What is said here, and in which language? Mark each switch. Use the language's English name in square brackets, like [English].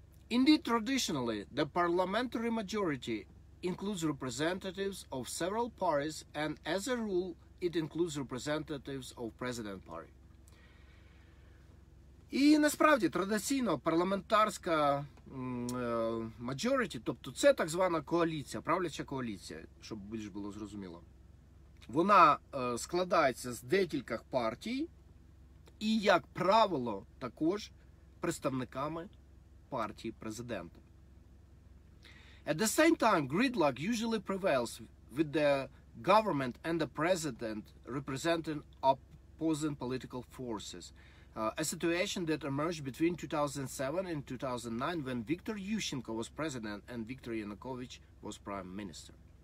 [English] Indeed, traditionally, the parliamentary majority includes representatives of several parties and, as a rule, it includes representatives of president party. [Ukrainian] І насправді традиційно парламентарська [English] majority, [Ukrainian] тобто це так звана коаліція, правляча коаліція, щоб більш було зрозуміло, Вона складається з декількох партій і, як правило, також представниками партії президента. [English] At the same time, gridlock usually prevails with the government and the president representing opposing political forces. A situation that emerged between 2007 and 2009 when Viktor Yushchenko was president and Viktor Yanukovych was prime minister.